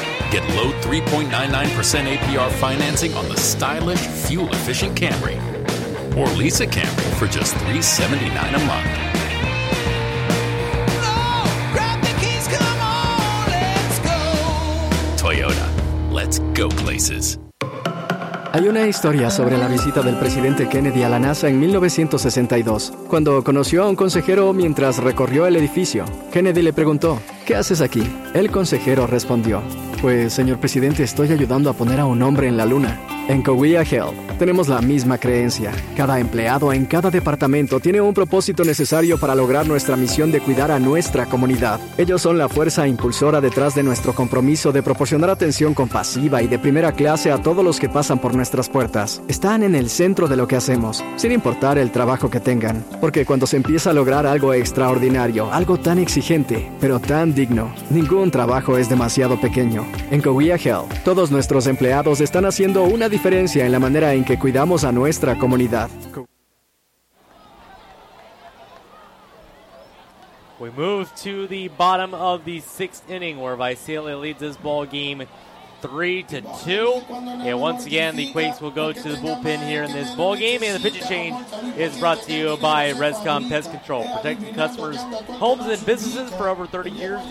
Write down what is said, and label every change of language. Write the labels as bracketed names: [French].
[English] Get low 3.99% APR financing on the stylish, fuel-efficient Camry. Or lease a Camry for just $379 a month. No, grab the keys, come on, let's go. Toyota, let's go places. [Spanish] Hay una historia sobre la visita del presidente Kennedy a la NASA en 1962, cuando conoció a un consejero mientras recorrió el edificio. Kennedy le preguntó, ¿qué haces aquí? El consejero respondió, pues, señor presidente, estoy ayudando a poner a un hombre en la luna. En Cahuilla Health, tenemos la misma creencia. Cada empleado en cada departamento tiene un propósito necesario para lograr nuestra misión de cuidar a nuestra comunidad. Ellos son la fuerza impulsora detrás de nuestro compromiso de proporcionar atención compasiva y de primera clase a todos los que pasan por nuestras puertas. Están en el centro de lo que hacemos, sin importar el trabajo que tengan. Porque cuando se empieza a lograr algo extraordinario, algo tan exigente, pero tan digno, ningún trabajo es demasiado pequeño. En Cahuilla Health, todos nuestros empleados están haciendo una diferencia en la manera en que cuidamos a nuestra comunidad. [English] We move to the bottom of the sixth inning where Visalia leads this ball game 3-2. And once again, the Quakes will go to the bullpen here in this ball game. And the pitch change is brought to you by Rescom Pest Control, protecting customers, homes, and businesses for over 30 years.